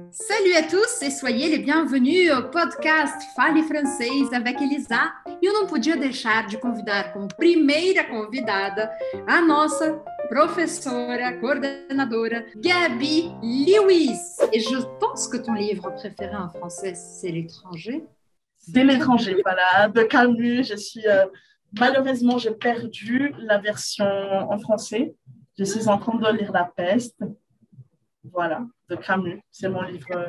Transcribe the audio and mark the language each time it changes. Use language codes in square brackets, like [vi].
[fr] Salut à tous et soyez les bienvenus au podcast Fale Francês avec Elisa. [pt] Eu não podia deixar de convidar como primeira convidada a nossa professora, coordenadora, Gabi Lewis. [fr] Et je pense que ton livre préféré en français, c'est L'étranger. C'est L'étranger, voilà, de Camus. Je suis, malheureusement, j'ai perdu la version en français. Je suis en train de lire La Peste. Voilà, de Camus, c'est mon livre.